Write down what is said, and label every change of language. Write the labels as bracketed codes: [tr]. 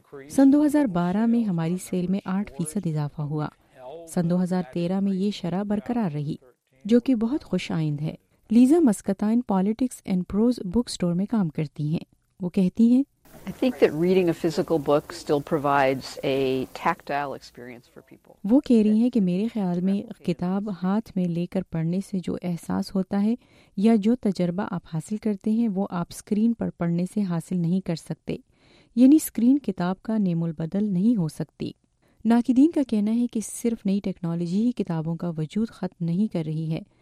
[ur] سن 2012 میں ہماری سیل میں 8% اضافہ ہوا۔ سن 2013 میں یہ شرح برقرار رہی، جو کہ بہت خوش آئند ہے۔ Lisa مسکتائن politics and pros book store میں کام کرتی ہیں۔ وہ کہتی ہیں، [en] I think that reading a physical book still provides a tactile experience for people. [ur] وہ کہہ رہی ہیں کہ میرے خیال میں کتاب ہاتھ میں لے کر پڑھنے سے جو احساس ہوتا ہے یا جو تجربہ آپ حاصل کرتے ہیں وہ آپ اسکرین پر پڑھنے سے حاصل نہیں کر سکتے، یعنی اسکرین کتاب کا نیم البدل نہیں ہو سکتی۔ ناقدین کا کہنا ہے کہ صرف نئی ٹیکنالوجی ہی کتابوں کا وجود ختم نہیں کر رہی ہے،